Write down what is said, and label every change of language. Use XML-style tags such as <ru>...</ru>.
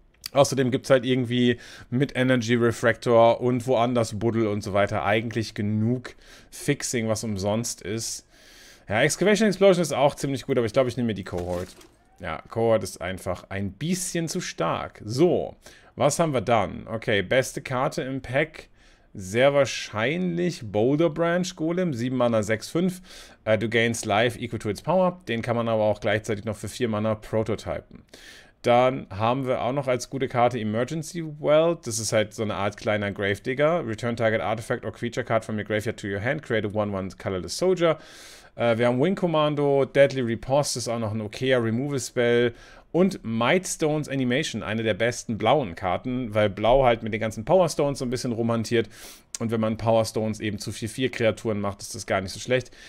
<de>Außerdem gibt es halt irgendwie mit Energy Refractor und woanders Buddel und so weiter eigentlich genug Fixing, was umsonst ist. Ja, Excavation Explosion ist auch ziemlich gut, aber ich glaube, ich nehme mir die Cohort. Ja, Cohort ist einfach ein bisschen zu stark. So, was haben wir dann? Okay, beste Karte im Pack. Sehr wahrscheinlich Boulder Branch Golem, 7 Mana 6-5. Du gainst</de> <en>life equal to its power.</en> <de>Den kann man aber auch gleichzeitig noch für 4 Mana prototypen. Dann haben wir auch noch als gute Karte Emergency Well. Das ist halt so eine Art kleiner Gravedigger.</de> <en>Return target artifact or creature card from your graveyard to your hand. Create a 1-1 colorless soldier.</en> <de>Wir haben Wing Commando, Deadly Riposte ist auch noch ein okayer Removal Spell. Und Mightstones Animation, eine der besten blauen Karten, weil Blau halt mit den ganzen Powerstones so ein bisschen rumhantiert. Und wenn man Powerstones eben zu 4-4 Kreaturen macht, ist das gar nicht so schlecht.</de>